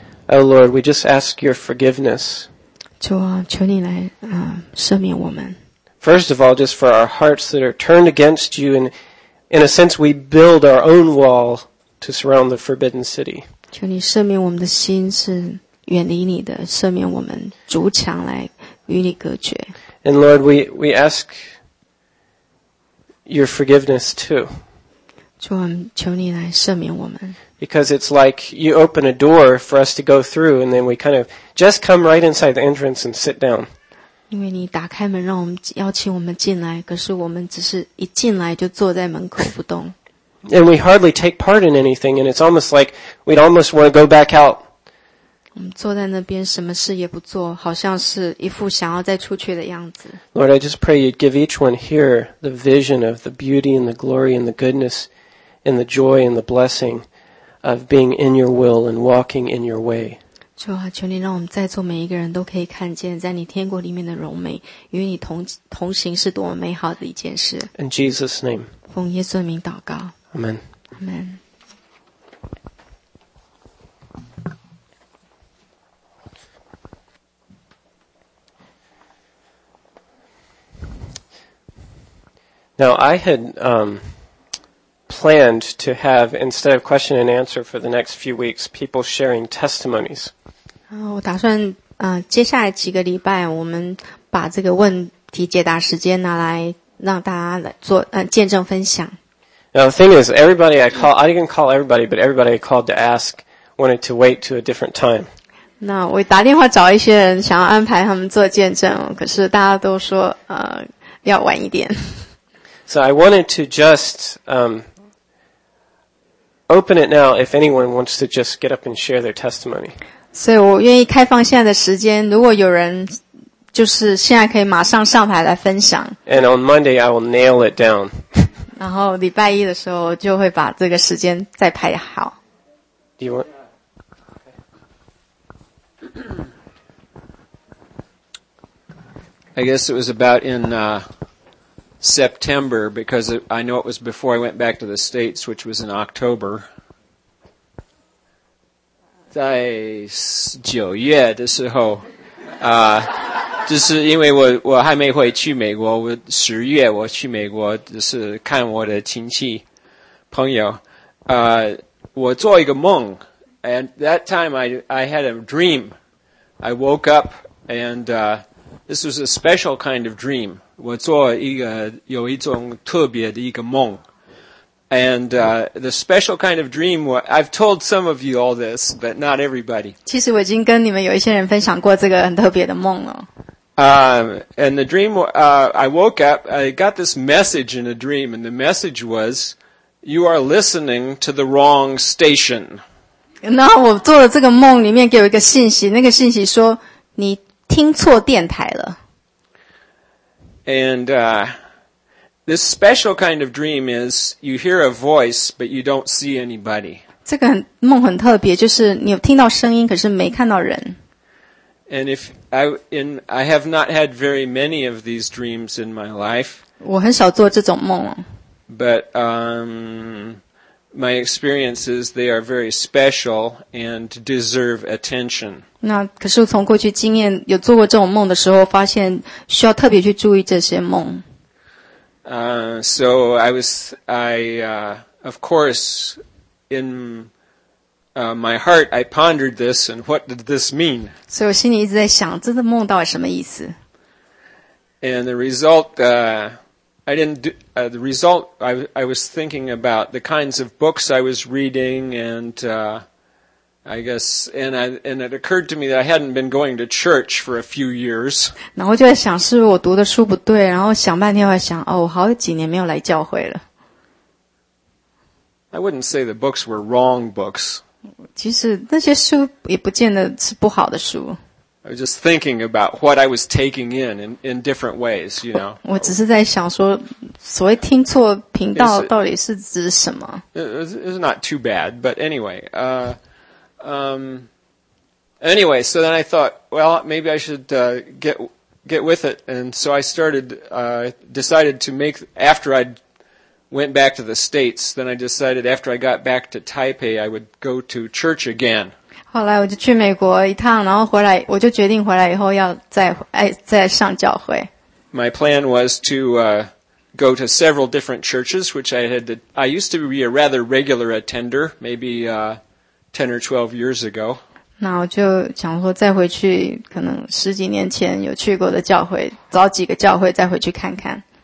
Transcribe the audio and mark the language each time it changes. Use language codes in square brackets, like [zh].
[en] Oh Lord, we just ask your forgiveness. [zh] 主啊，求你来赦免我们。 [en] First of all, just for our hearts that are turned against you, and in a sense, we build our own wall to surround the forbidden city. [zh] 求你赦免我们的心是远离你的，赦免我们筑墙来与你隔绝。 [en] And Lord, we ask your forgiveness too. [zh] 主啊，求你来赦免我们。 [en] Because it's like you open a door for us to go through, and then we kind of just come right inside the entrance and sit down. [zh] 因为你打开门让我们邀请我们进来，可是我们只是一进来就坐在门口不动。 [en] And we hardly take part in anything, and it's almost like we'd almost want to go back out. [zh] 我们坐在那边什么事也不做，好像是一副想要再出去的样子。 [en] Lord, I just pray you'd give each one here the vision of the beauty and the glory and the goodness and the joy and the blessing of being in your will and walking in your way. [zh] 主啊，求你让我们在座每一个人都可以看见在你天国里面的荣美，与你 同行是多么美好的一件事。 [en] In Jesus name， [zh] 奉耶稣的名祷告， [en] Amen， [zh] Amen。 [en] Now, I had planned to have, instead of question and answer for the next few weeks, people sharing testimonies. [zh] 我打算接下来几个礼拜我们把这个问题解答时间拿来让大家来做见证分享。 [en] Now, the thing is, everybody I call, I didn't call everybody, but everybody I called to ask wanted to wait to a different time. [zh] 那我打电话找一些人想要安排他们做见证，可是大家都说要晚一点。 [en] So I wanted to just open it now if anyone wants to just get up and share their testimony. [zh] 所以我愿意开放现在的时间，如果有人就是现在可以马上上台来分享。 [en] And on Monday I will nail it down. [zh] 然后礼拜一的时候就会把这个时间再排好。 [en] Do you want? I guess it was about in September, because I know it was before I went back to the States, which was in October. [zh] 在九月的时候，就是因为我还没回去美国，我十月我去美国，就是看我的亲戚朋友。我做一个梦， [en] and that time I had a dream. I woke up, and this was a special kind of dream. [zh] 我做一个有一种特别的一个梦 ， [en] and the special kind of dream. I've told some of you all this, but not everybody. [zh] 其实我已经跟你们有一些人分享过这个很特别的梦了。 [en] And the dream, I woke up, I got this message in a dream, and the message was, "You are listening to the wrong station." [zh] 然后我做了这个梦，里面给我一个信息，那个信息说你听错电台了。 [en] And this special kind of dream is you hear a voice, but you don't see anybody. [zh] 这个梦很特别，就是你有听到声音，可是没看到人。 [en] And if I have not had very many of these dreams in my life. [zh] 我很少做这种梦。 [en] But my experience is they are very special and deserve attention. [zh] 那可是从过去经验有做过这种梦的时候，发现需要特别去注意这些梦。 [en] So I was, of course, in my heart, I pondered this and what did this mean? [zh] 所以我心里一直在想，这个梦到底什么意思？ [en] And the result, the result, I was thinking about the kinds of books I was reading, and I guess, and it occurred to me that I hadn't been going to church for a few years. [zh] 然后就在想，是不是我读的书不对？然后想半天，我还想，哦，我好几年没有来教会了。 [en] I wouldn't say the books were wrong books. [zh] 其实那些书也不见得是不好的书。 [en] I was just thinking about what I was taking in different ways, you know. [zh] 我只是在想说，所谓听错频道到底是指什么？ [en] It's not too bad, but anyway, anyway. So then I thought, well, maybe I should get with it, and so I started decided to make after I went back to the States. Then I decided after I got back to Taipei, I would go to church again. [zh] 后来我就去美国一趟，然后回来，我就决定回来以后要再上教会。 [en] My plan was to go to several different churches, which I used to be a rather regular attender, maybe 10 or 12 years ago. [zh] 那我就想说再回去，可能十几年前有去过的教会，找几个教会再回去看看。